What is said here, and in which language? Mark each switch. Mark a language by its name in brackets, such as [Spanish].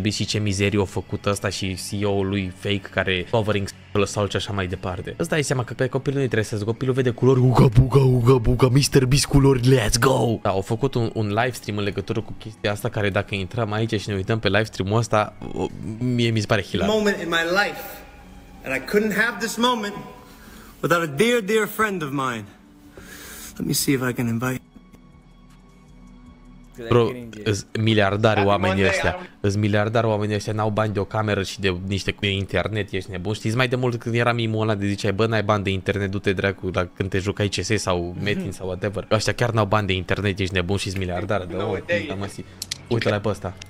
[Romanian] Beast și ce mizerie a făcut ăsta și CEO-ul lui fake care covering sau ce așa mai departe. Îți dai seama că pe copilul nu-i interesează, copilul vede culori, uga buga, Mr. Beast culori, [English] let's go. [Romanian] Da, au făcut un live stream în legătură cu chestia asta, care dacă intrăm aici și ne uităm pe live stream-ul ăsta, mie mi se pare hilar. [English] Moment in my life and I couldn't have this moment without a dear, dear friend of mine. Let me see if I can invite. [Romanian] Bro, sunt miliardari oamenii ăștia, n-au bani de o cameră și de niște cu internet, ești nebun. Știți, mai de mult când era mimul ăla de ziceai, bă, n-ai bani de internet, du-te dracu, dar când te jucai CS sau Metin sau whatever. Ăștia chiar n-au bani de internet, ești nebun și sunt miliardari, dar uite-l pe ăsta.